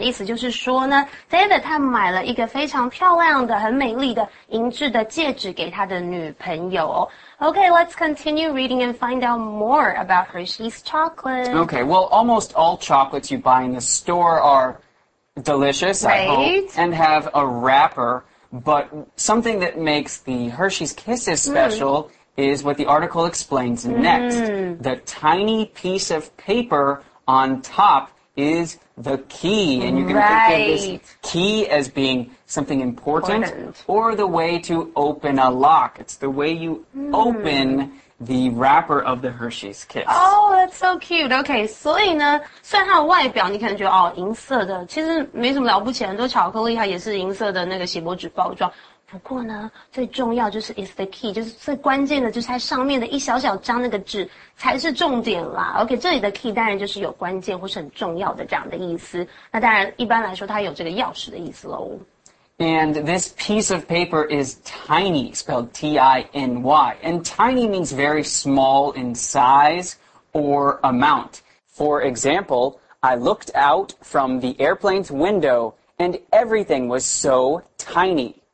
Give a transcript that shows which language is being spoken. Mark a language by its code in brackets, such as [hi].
[zh] 意思就是说呢 ,David 他买了一个非常漂亮的很美丽的银质的戒指给他的女朋友。 [en] Okay, let's continue reading and find out more about Hershey's chocolate. Okay, well, almost all chocolates you buy in the store are delicious, right? I hope, and have a wrapper. But something that makes the Hershey's Kisses special is what the article explains next. The tiny piece of paper on top is the key. And you're going to think of this key as being something important or the way to open a lock. It's the way you open the wrapper of the Hershey's Kiss. Oh, that's so cute. [zh] Okay, 所以呢，虽然它的外表你可能觉得哦，银色的，其实没什么了不起，很多巧克力它也是银色的那个锡箔纸包装。不过呢，最重要就是 [en] is the key, [zh] 就是最关键的就是它上面的一小小张那个纸才是重点啦。 OK, 这里的 key 当然就是有关键或是很重要的这样的意思。那当然一般来说它有这个钥匙的意思咯。 [en] And this piece of paper is tiny, spelled T-I-N-Y. And tiny means very small in size or amount. For example, I looked out from the airplane's window and everything was so tiny.